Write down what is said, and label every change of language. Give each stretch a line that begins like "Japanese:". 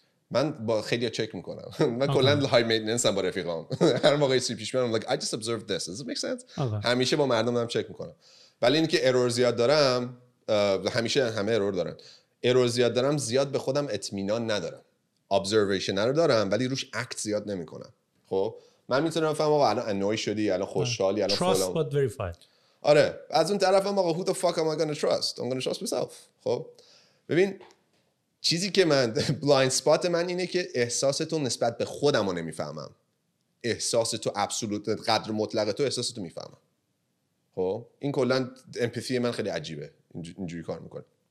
Persian: من با خیلی ها چک میکنم، من کلا های مینتنس هم با رفیقام، هر موقع سی پیش میام
English: like I just observed this, does it make sense.
Persian: همیشه با مردم هم چک میکنم، ولی اینکه ارور زیاد دارم، همیشه همه ارور دارن، ارور زیاد دارم، زیاد به خودم اطمینان ندارم، ابزرویشن رو دارم ولی روش اکت زیاد نمیکنم. خب من میتونم بفهمم آقا الان انوی شدی، الان خوشحالی، الان فلان،
English: trust but verify.
Persian: آره از اون طرفم آقا
English: who the fuck am I gonna trust, I'm gonna trust myself.
Persian: خب ببین چیزی که من blind spot من اینه که احساس تو نسبت به خودمو نمیفهمم، احساس تو absolute قدر مطلق تو احساس تو میفهمم. خب این کلا امپاتی من خیلی عجیبه، اینجوری کار میکنه.